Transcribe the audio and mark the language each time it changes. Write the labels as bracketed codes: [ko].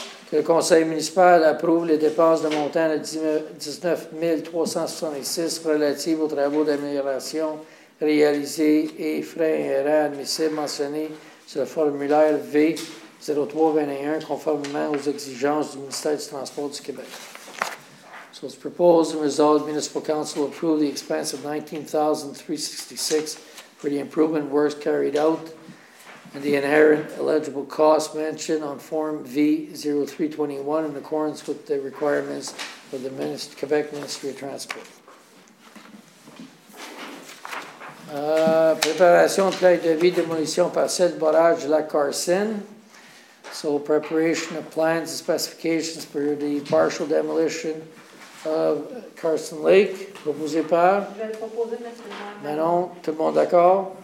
[fr] Que le conseil municipal approuve les dépenses de montant de 19 366 relatives aux travaux d'amélioration réalisés et frais inhérents admissibles mentionnés sur le formulaire V0321 conformément aux exigences du ministère du Transport du Québec. [en] So it's proposed and resolved Municipal Council approve the expense of $19,366 for the improvement works carried out and the inherent eligible costs mentioned on Form V0321 in accordance with the requirements of the Quebec Ministry of Transport. [fr] Préparation de plan de vie, démolition partielle, barrage, Lac Carson. [en] So preparation of plans and specifications for the partial demolition of Carson Lake, [fr] proposé par Manon, tout le monde d'accord?